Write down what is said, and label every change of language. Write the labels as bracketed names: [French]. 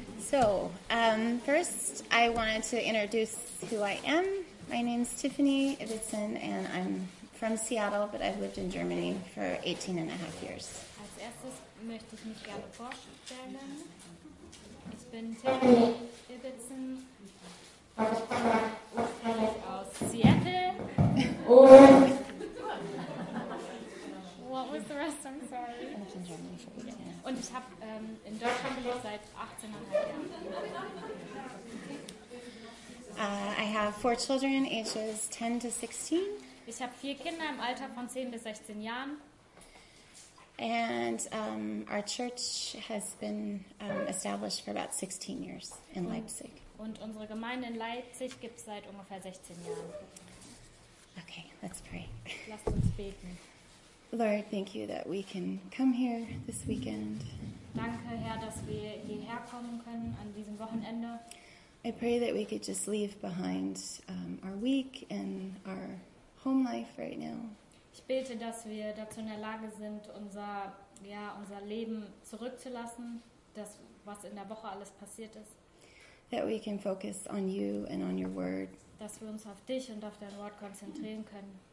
[English] So, first, I wanted to introduce who I am. My name's Tiffany Ibbotson, and I'm from Seattle, but I've lived in Germany for 18 and a half years. [German] Als erstes möchte ich mich gerne vorstellen. Ich bin Tiffany Ibbotson. Ich komme aus Seattle. [English] What was the rest? I'm sorry. [German] Und ich habe in Deutschland gelebt seit 18 und einem Jahr. [English] I have 4 children, ages 10 to 16. [German] Ich habe 4 Kinder im Alter von 10 bis 16 Jahren. [English] And our church has been established for about 16 years in Leipzig. [German] Und unsere Gemeinde in Leipzig gibt es seit ungefähr 16 Jahren. [English] Okay, let's pray. [German] Lasst uns beten. [English] Lord, thank you that we can come here this weekend. [German] Danke, Herr, dass wir hierher kommen können an diesem Wochenende. [English] I pray that we could just leave behind our week and our home life right now. [German] Ich bete, dass wir dazu in der Lage sind, unser Leben zurückzulassen, das, was in der Woche alles passiert ist. [English] That we can focus on you and on your word. [German] Dass wir uns auf dich und auf dein Wort konzentrieren können.